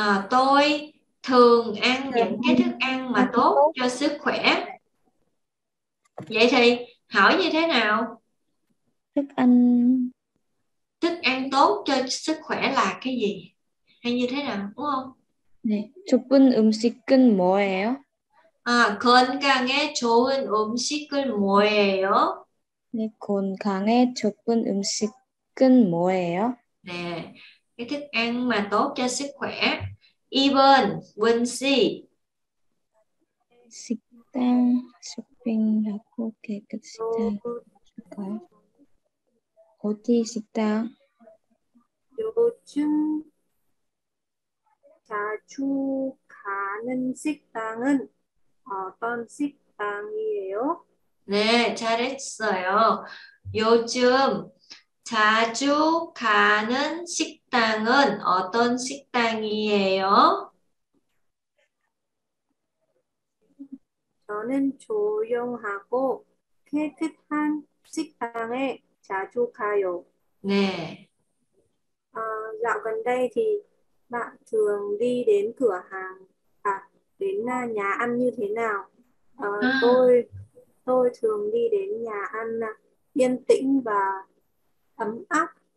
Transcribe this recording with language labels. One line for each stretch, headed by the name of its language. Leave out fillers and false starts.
Vietnamese: Tôi thường ăn những cái thức ăn mà tốt cho sức khỏe. Vậy thì hỏi như thế nào? Thức ăn tốt cho sức khỏe là cái gì? Hay như thế nào, đúng không?
Korean: Nè, 좋은 음식은 뭐예요? 건강에 좋은 음식은 뭐예요? 네, 건강에 좋은 음식은 뭐예요?
Vietnamese: 네, cái thức ăn mà tốt cho sức khỏe. Even, Quỳnh Si.
Korean: 식당. Shopping 하고 깨끗 식당 좋아요. 어디 식당? 요즘 자주 가는 식당은 어떤 식당이에요? 네, 잘했어요. 요즘 자주 가는 식당은 어떤 식당이에요? 저는 조용하고 깨끗한 식당에 자주 가요. 네.
Vietnamese: Dạo gần đây thì bạn thường đi đến cửa hàng à đến nhà ăn như thế nào? Tôi thường đi đến nhà ăn yên tĩnh và ấm áp.